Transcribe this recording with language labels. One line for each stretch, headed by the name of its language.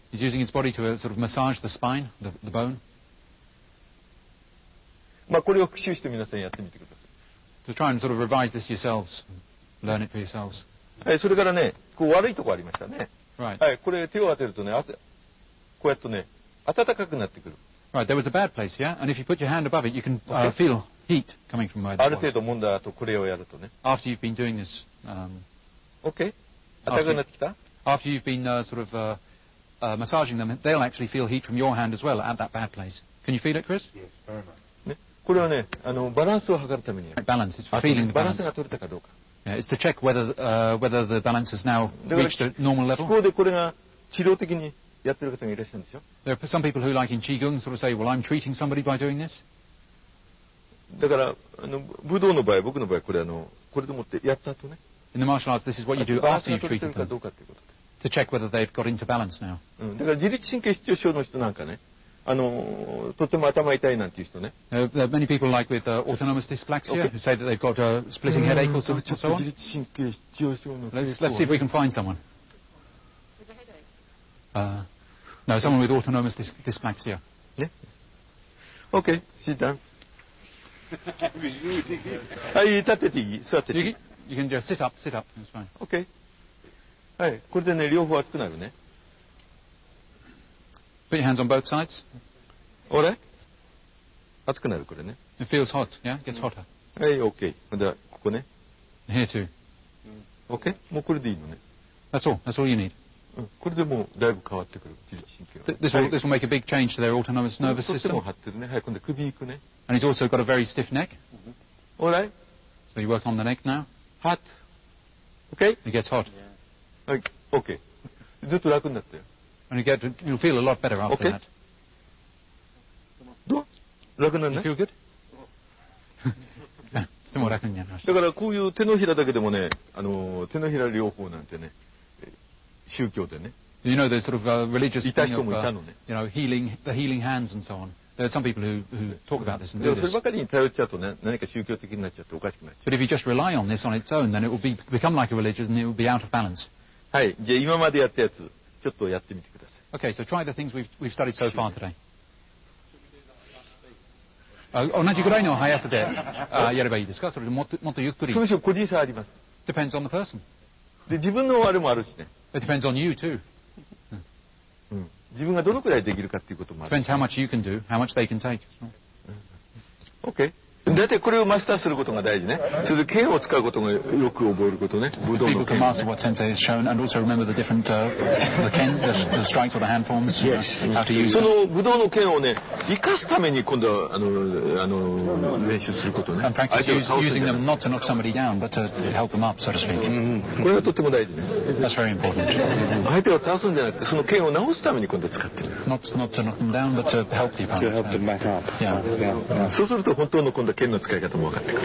English: He's using his body to sort of massage the spine, the bone.
Japanese: まあこれを復習して皆さんやってみてください。
English: To try and sort of revise this yourselves. Learn it for yourselves.
Japanese: それからね、こう悪いとこありましたね。
English: Right.
Japanese: これ手を当てるとね、こうやってね、暖かくなってくる。
English: Right, there was a bad place, yeah? And if you put your hand above it, you can feel heat coming from where that was.
Japanese: ある程度揉んだ後、これをやるとね。
English: After you've been doing this.
Japanese: Okay. 暖かくなってきた?
English: After you've been massaging them, they'll actually feel heat from your hand as well at that bad place. Can you feel it, Chris? Yes, very much.
Japanese: ね、これはね、バランスを測るためにやる。
English: Right, balance, it's for feeling the balance.
Japanese: バランスが取れたかどうか。
English: Yeah, it's to check whether the balance has now reached a normal level.
Japanese: 気候でこれが治療的にやってる方がいらっしゃるんでしょ?
English: There are some people who like in Qigong sort of say, well, I'm treating somebody by doing this.
Japanese: だから、武道の場合、僕の場合、これ、これでもってやった後ね。
English: In the martial arts, this is what you do after you've treated them. To check whether they've got into balance now.
Japanese: だから自律神経失調症の人なんかね、とても頭痛いなんていう人ね。
English: There are many people like with autonomous dyspraxia who say that they've got a splitting headache or so on.
Japanese: ちょっと自律神経失調症の
English: 人。Let's see if we can find someone. No, someone with autonomous dyspraxia. Yeah. Okay, sit down. you can just sit up, that's fine. Okay.
Japanese: はい、これでね、両方熱くなるね。
English: Put your hands on both sides.
Japanese: あれ?熱くなる、これね。
English: It feels hot, yeah? It gets hotter.
Japanese: はい、okay. また、ここね。
English: Here too.
Japanese: Okay, もうこれでいいのね。
English: That's all you need.
Japanese: これでもうだいぶ変わってくる自律神経は。
English: This will make a big change to their autonomous nervous system.
Japanese: とっても張ってるね。はい、今度首いくね。
English: And he's also got a very stiff neck. All right. So you work on the neck now. Hot. Okay. It gets hot.
Japanese: Yeah. Okay. ずっと楽になったよ。
English: And you'll feel a lot better after okay. that.
Japanese: どう?楽になるね。
English: You feel good?
Japanese: とても楽になりました。だからこういう手のひらだけでもね、手のひら両方なんてね、宗教でね。
English: You know, the sort of religious thing of, you know, healing, the healing hands and so on. There are some people who talk about this and do this.
Japanese: そればかりに頼っちゃうとね、何か宗教的になっちゃっておかしくなっちゃう。
English: But if you just rely on this on its own, then it will become like a religion and it will be out of balance.
Japanese: はい、じゃあ今までやったやつ、ちょっとやってみてください。
English: Okay, so try the things we've studied so far today.
Japanese: 同じぐらいの速さでやればいいですか?それでもっとゆっくり。その人個人差あります。
English: Depends on the person.
Japanese: で、自分のあれもあるしね。
English: It depends on you too.
Japanese: 自分がどのくらいできるかっていうこともある。
English: Depends how much you can do, how much they can take. Okay.
Japanese: だってこれをマスターすることが大事ね。それで剣を使うことがよく覚えることね。武道の剣。
English: People can master what sensei has shown and also remember the different the ken, the strikes or the hand forms. Yes. How to use.
Japanese: その武道の剣をね、生かすために今度はあの練習することね。
English: And practice using them not to knock somebody down, but to help them up, so to speak.
Japanese: これはとっても大事ね。
English: That's very important.
Japanese: 相手を倒すんじゃなくて、その剣を直すために今度使ってる。
English: Not to knock them down, but to help the opponent. To help them back up. Yeah.
Japanese: そうすると本当の今度剣の使い方も分かってくる。